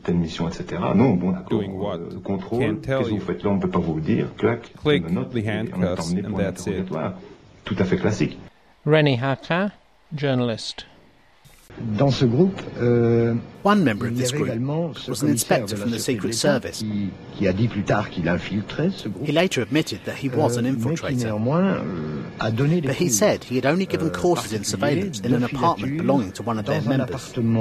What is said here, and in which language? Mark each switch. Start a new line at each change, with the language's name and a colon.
English: Doing what? Can't tell you. Click the handcuffs and that's it.
French: Tout à fait classique.
English: René Haka, journalist.
French: Dans ce groupe,
English: one member of this group was an inspector from the Secret Service.
French: Qui a dit plus tard qu'il infiltrait ce groupe.
English: He later admitted that he was an infiltrator.
French: A donné
English: but he said he had only given courses in surveillance in an apartment belonging to one of their members.